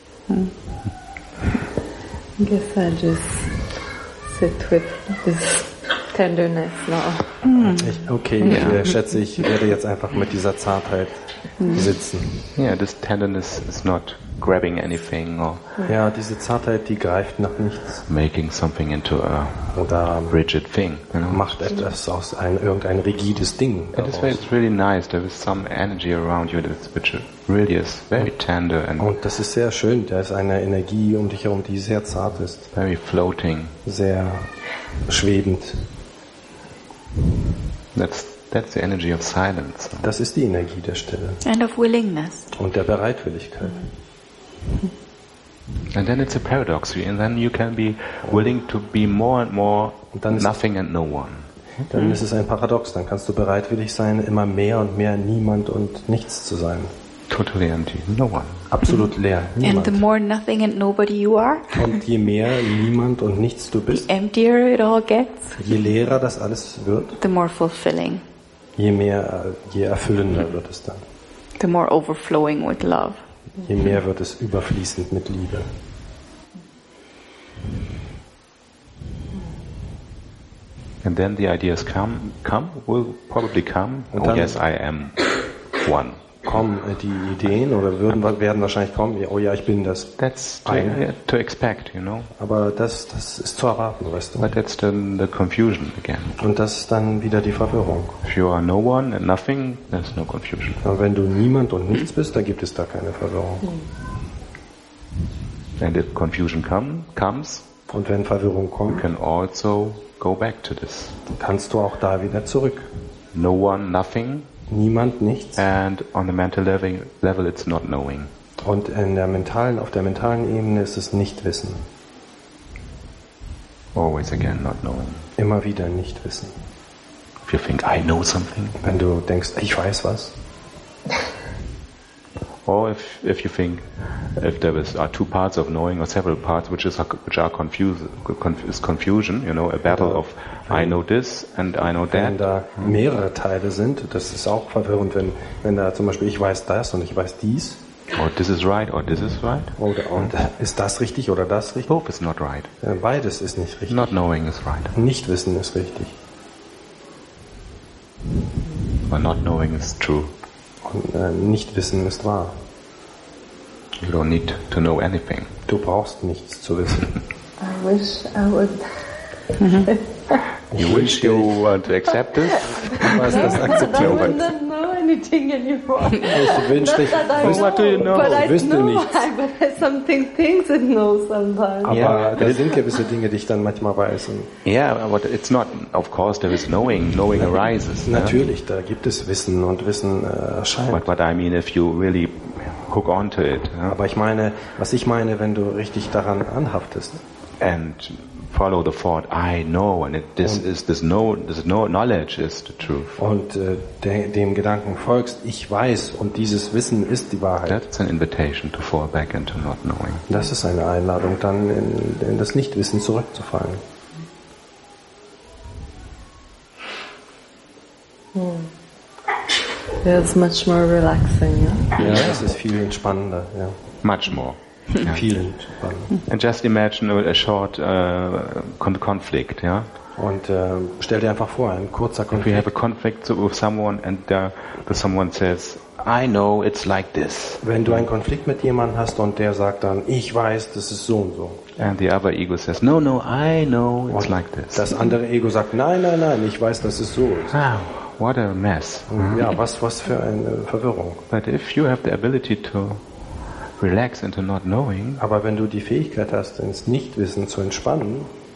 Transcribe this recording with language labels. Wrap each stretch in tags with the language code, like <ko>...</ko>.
<en>I guess I'll just sit with this tenderness now.</en> <de>Ich werde jetzt einfach mit dieser Zartheit sitzen.</de> <en>Yeah, this tenderness is not grabbing anything or.</en> <de>Ja, diese Zartheit, die greift nach nichts.</de> <en>Making something into a</en> <de>oder</de> <en>rigid thing. You know?</en> <de>Macht etwas aus irgendein rigides Ding.</de> <en>And this way, it's really nice. There is some energy around you that's which really is very tender and.</en> <de>Und das ist sehr schön. Da ist eine Energie um dich herum, die sehr zart ist.</de> <en>Very floating.</en> <de>Sehr schwebend.</de> <en>That's the energy of silence.</en> <de>Das ist die Energie der Stille.</de> <en>And of willingness.</en> <de>Und der Bereitwilligkeit.</de> <en>And then it's a paradox. And then you can be willing to be more and more</en> <de>dann ist,</de> <en>nothing and no one.</en> <de>dann ist es ein Paradox. Dann kannst du bereitwillig sein, immer mehr und mehr niemand und nichts zu sein.</de> <en>Totally empty, no one.</en> <de>Absolut leer, niemand.</de> <en>And the more nothing and nobody you are.</en> <de>Und je mehr niemand und nichts du bist,</de> <en>the emptier it all gets.</en> <de>Je leerer das alles wird,</de> <en>the more fulfilling.</en> <de>Je mehr, je erfüllender wird es dann.</de> <en>The more overflowing with love.</en> <de>Je mehr wird es überfließend mit Liebe.</de> <en>And then the ideas will probably come.</en> <de>Und dann,</de> <en>oh yes, I am one.</en> <de>Kommen die Ideen oder werden wahrscheinlich kommen, oh ja, ich bin das.</de> <en>That's to expect, you know.</en> <de>Aber das ist zu erwarten, weißt du.</de> <en>But that's then the confusion again.</en> <de>Und das ist dann wieder die Verwirrung.</de> <en>If you are no one and nothing, there's no confusion.</en> <de>Aber wenn du niemand und nichts bist, dann gibt es da keine Verwirrung.</de> <en>And if confusion comes,</en> <de>und wenn Verwirrung kommt,</de> <en>you can also go back to this.</en> <de>Kannst du auch da wieder zurück.</de> <en>No one, nothing.</en> <de>Niemand, nichts.</de> <en>And on the mental level, it's not knowing.</en> <de>Und in der mentalen, auf der mentalen Ebene ist es Nichtwissen.</de> <en>Always again, not knowing.</en> <de>Immer wieder Nichtwissen.</de> <en>If you think I know something.</en> <de>Wenn du denkst, ich weiß was.</de> <en>Or if you think, if there are two parts of knowing or several parts, which are confusion, you know, a battle of I know this and I know that.</en> <de>Wenn da mehrere Teile sind, das ist auch verwirrend, wenn da zum Beispiel ich weiß das und ich weiß dies.</de> <en>Or this is right or this is right.</en> <de>Oder und ist das richtig oder das richtig?</de> <en>Both is not right.</en> <de>Beides ist nicht richtig.</de> <en>Not knowing is right.</en> <de>Nicht wissen ist richtig.</de> <en>Or not knowing is true.</en> <de>Und nicht wissen ist wahr.</de> <en>You don't need to know anything.</en> <de>Du brauchst nichts zu wissen.</de> <en>I wish I would. You wish you want to accept this?</en> <de>Du weißt, das akzeptieren.</de> <en>I wouldn't know anything anymore.</en> <de>Ich wünsch dich,</de> <en>what do you know? But I</en> <de>wüsste</de> <en>know</en> <de>nichts.</de> <en>Why, but some things it knows sometimes.</en> <de>Aber da sind gewisse Dinge, die ich dann manchmal weiß.</de> <en>Yeah, but it's not, of course, there is knowing. Knowing arises.</en> <de>Natürlich, yeah? Da gibt es Wissen und Wissen erscheint.</de> <en>But I mean, if you really hook onto it. Yeah?</en> <de>Aber ich meine, was ich meine, wenn du richtig daran anhaftest.</de> <en>And follow the thought, I know, and it, this und is this know, this know knowledge is the truth.</en> <de>Und dem Gedanken folgst, ich weiß, und dieses Wissen ist die Wahrheit.</de> <en>That's an invitation to fall back into not knowing.</en> <de>Das ist eine Einladung, dann in das Nichtwissen zurückzufallen.</de> <en>Yeah, it's much more relaxing. Yeah,</en> <de>es ist viel entspannender. Ja.</de> <en>Much more. Yeah. And just imagine a short conflict, yeah.</en> <de>Und stell dir einfach vor, ein kurzer Konflikt.</de> <en>If we have a conflict with someone and the someone says, I know it's like this.</en> <de>Wenn du einen Konflikt mit jemandem hast und der sagt dann, ich weiß, das ist so und so.</de> <en>And the other ego says, no, no, I know it's like this.</en> <de>Das andere Ego sagt, nein, nein, nein, ich weiß, dass es so ist.</de> <en>Ah, what a mess.</en> <de>Ja, was für eine Verwirrung.</de> <en>But if you have the ability to relax into not knowing.</en> <de>Aber wenn du die Fähigkeit hast, ins Nichtwissen zu entspannen,</de>